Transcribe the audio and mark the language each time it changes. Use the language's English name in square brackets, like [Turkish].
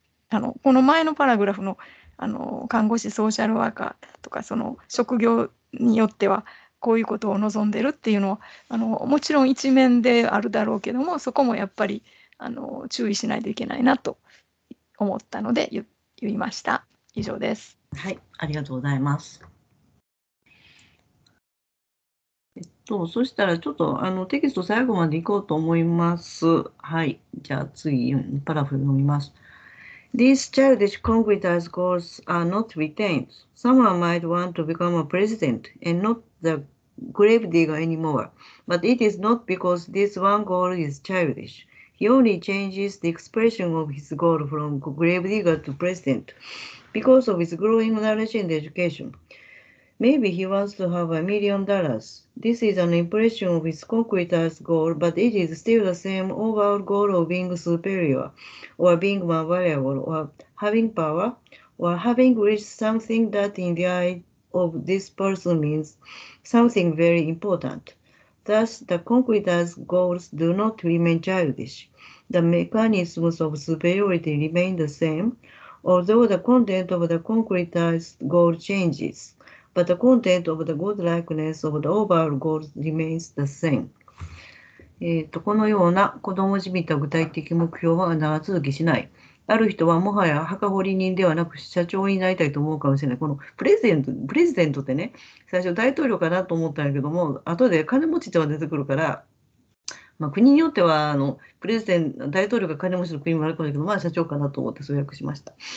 [Japanese] この前のパラグラフ の看護師ソーシャルワーカーとかその職業によってはこういうことを望んでるっていうのはもちろん一面であるだろうけどもそこもやっぱり注意しないといけないなと思ったので言いました。以上です。はい、ありがとうございます。そしたらちょっとテキスト最後までいこうと思います。はい、じゃあ次パラフ読みます。 [English] These childish concretized goals are not retained. Someone might want to become a president and not the grave digger anymore. But it is not because this one goal is childish. He only changes the expression of his goal from grave digger to president because of his growing knowledge and education. Maybe he wants to have $1,000,000. This is an impression of his concretized goal, but it is still the same overall goal of being superior, or being more valuable, or having power, or having reached something that in the eye of this person means something very important. Thus, the concretized goals do not remain childish. The mechanisms of superiority remain the same, although the content of the concretized goal changes. But the content of the godlikeness of the overall goal remains the same. [Japanese] このような子供じみた具体的目標は長続きしない。ある人はもはや墓掘り人ではなく社長になりたいと思うかもしれない。このプレゼントってね、最初大統領かなと思ったんだけども、後で金持ちとは出てくるから、まあ、国によってはあのプレゼン大統領が金持ちの国もあるかもしれないけど、まあ、社長かなと思ってそう訳しました。